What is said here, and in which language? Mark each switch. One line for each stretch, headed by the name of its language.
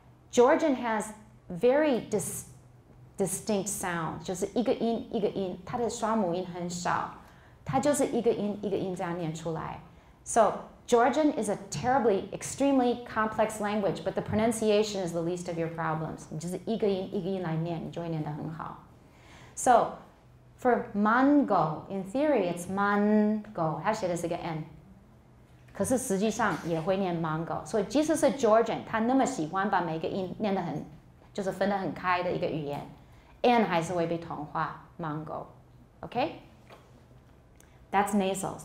English: Georgian has very distinct sounds,
Chinese: 就是一个音,一个音, 它的双母音很少, 它就是一个音,一个音这样念出来.
English: So Georgian is a terribly, extremely complex language, but the pronunciation is the least of your problems.
Chinese: 就是一个音,一个音来念,你就会念得很好.
English: So for mango, in theory, it's mango,
Chinese: 它写的是个N. 可是实际上也会念mango. 所以即使是Georgian, 它那么喜欢把每个音念得很,就是分得很开的一个语言, N还是会被同化, mango,
English: okay? That's nasals.